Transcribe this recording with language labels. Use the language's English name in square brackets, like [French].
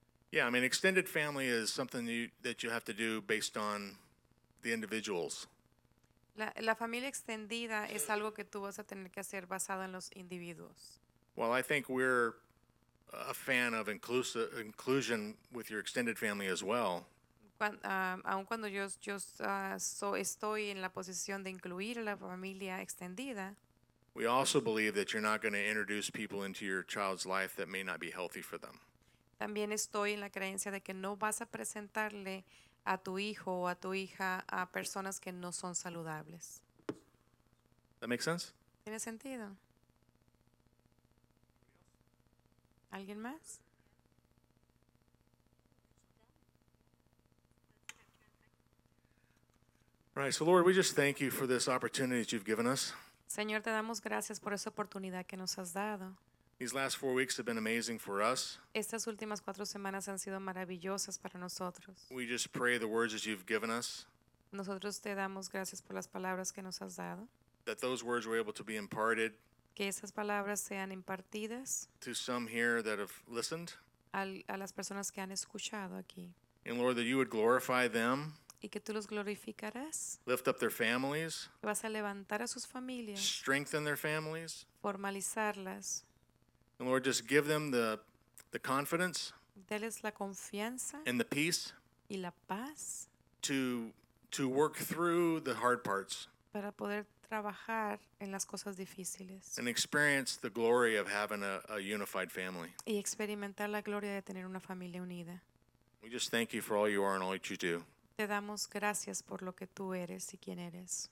[English] Yeah, I mean, extended family is something that you have to do based on the individuals. [Spanish] La familia extendida es algo que tú vas a tener que hacer basado en los individuos. [English] Well, I think we're a fan of inclusion with your extended family as well. [Spanish] Aun cuando yo estoy en la posición de incluir a la familia extendida. [English] We also believe that you're not going to introduce people into your child's life that may not be healthy for them. [Spanish] También estoy en la creencia de que no vas a presentarle a tu hijo o a tu hija a personas que no son saludables. [English] That makes sense? [Spanish] Tiene sentido. ¿Alguien más? [English] All right, so Lord, we just thank you for this opportunity that you've given us. [Spanish] Señor, te damos gracias por esa oportunidad que nos has dado. [English] These last 4 weeks have been amazing for us. [Spanish] Estas últimas 4 semanas han sido maravillosas para nosotros. [English] We just pray the words that you've given us. [Spanish] Nosotros te damos gracias por las palabras que nos has dado. [English] That those words were able to be imparted. [Spanish] Que esas palabras sean impartidas. [English] To some here that have listened. [Spanish] A las personas que han escuchado aquí. [English] And Lord, that you would glorify them. [Spanish] Y que tú los glorificarás. [English] Lift up their families. [Spanish] Vas a levantar a sus familias. [English] Strengthen their families. [Spanish] Formalizarlas. [English] And Lord, just give them the confidence. [Spanish] Deles la confianza. [English] And the peace. [Spanish] Y la paz. [English] To work through the hard parts. [Spanish] Para poder trabajar en las cosas difíciles. [English] And experience the glory of having a unified family. [Spanish] Y experimentar la gloria de tener una familia unida. [English] We just thank you for all you are and all that you do. [Spanish] Te damos gracias por lo que tú eres y quién eres.